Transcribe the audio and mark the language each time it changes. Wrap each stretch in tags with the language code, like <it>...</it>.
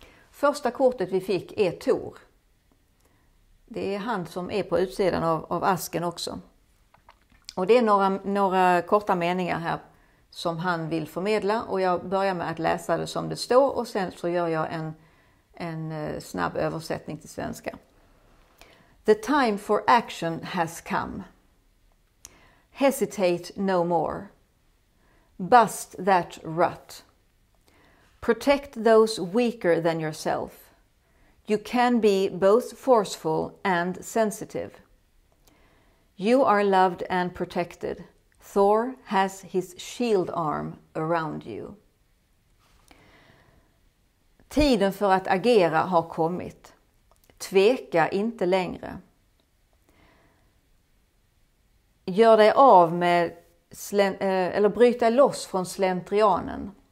<sv>Första kortet vi fick är Thor. Det är han som är på utsidan av asken också. Och det är några korta meningar här som han vill förmedla. Och jag börjar med att läsa det som det står. Och sen så gör jag en snabb översättning till svenska.</sv> <en>The time for action has come. Hesitate no more. Bust that rut. Protect those weaker than yourself. You can be both forceful and sensitive. You are loved and protected. Thor has his shield arm around you.</en> <sv>Tiden för att agera har kommit. Tveka inte längre. Gör dig av med eller bryt dig loss från slentrianen.</sv>